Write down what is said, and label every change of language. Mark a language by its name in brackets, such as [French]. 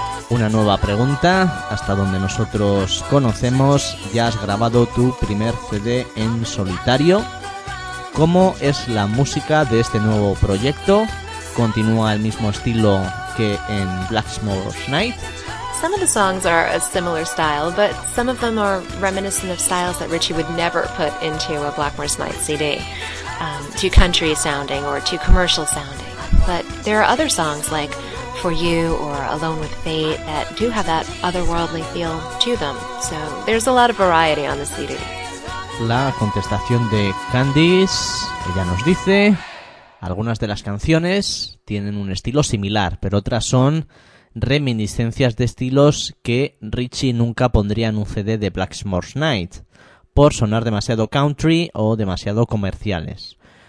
[Spanish] Una nueva pregunta, hasta donde nosotros conocemos, ya has grabado tu primer CD en solitario. ¿Cómo es la música de este nuevo proyecto? ¿Continúa el mismo estilo que en Blacksmoor's Night? [English] Some of the songs are a similar style, but some of them are reminiscent of styles that Richie would never put into a Blacksmoor's Night CD. Too country sounding or too commercial sounding. But there are other songs like For You or Alone with Fate that do have that otherworldly feel to them. So there's a lot of variety on the CD. [Spanish] La contestación de Candice, ella nos dice, algunas de las canciones tienen un estilo similar, pero otras son reminiscencias de estilos que Richie nunca pondría en un CD de Blacksmoor's Night, por sonar demasiado country o demasiado comerciales.